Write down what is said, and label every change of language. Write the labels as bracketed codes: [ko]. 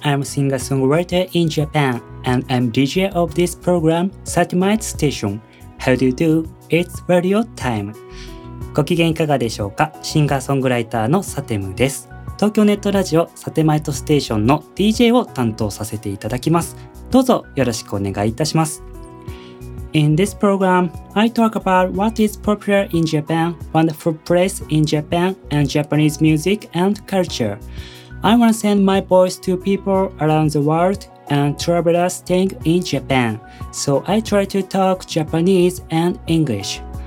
[en] I'm a singer-songwriter in Japan, and I'm DJ of this program, Satemite Station. How do you do? It's radio time. [ja] ご機嫌いかがでしょうか？シンガーソングライターのサテムです。東京ネットラジオ、サテマイトステーションの DJ を担当させていただきます。どうぞよろしくお願いいたします。 [en] In this program, I talk about what is popular in Japan, wonderful place in Japan, and Japanese music and culture. I want to send my voice to people around the world and travelers staying in Japan. So I try to talk Japanese and English.